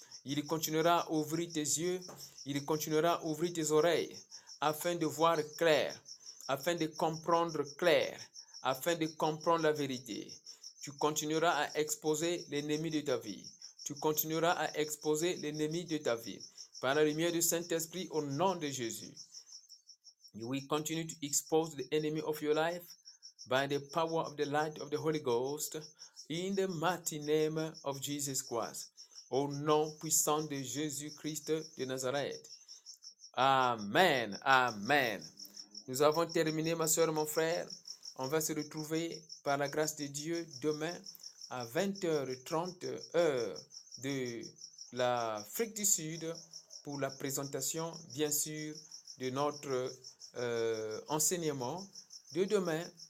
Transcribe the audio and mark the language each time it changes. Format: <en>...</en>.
<fr>Il continuera à ouvrir tes yeux, il continuera à ouvrir tes oreilles, afin de voir clair, afin de comprendre clair, afin de comprendre la vérité. Tu continueras à exposer l'ennemi de ta vie. Tu continueras à exposer l'ennemi de ta vie, par la lumière du Saint-Esprit, au nom de Jésus.</fr> <en>You will continue to expose the enemy of your life, by the power of the light of the Holy Ghost, in the mighty name of Jesus Christ.</en> <fr>Au nom puissant de Jésus-Christ de Nazareth. Amen. Amen. Nous avons terminé, ma soeur, mon frère. On va se retrouver par la grâce de Dieu demain à 20h30 heure de l'Afrique du Sud pour la présentation, bien sûr, de notre enseignement de demain.</fr>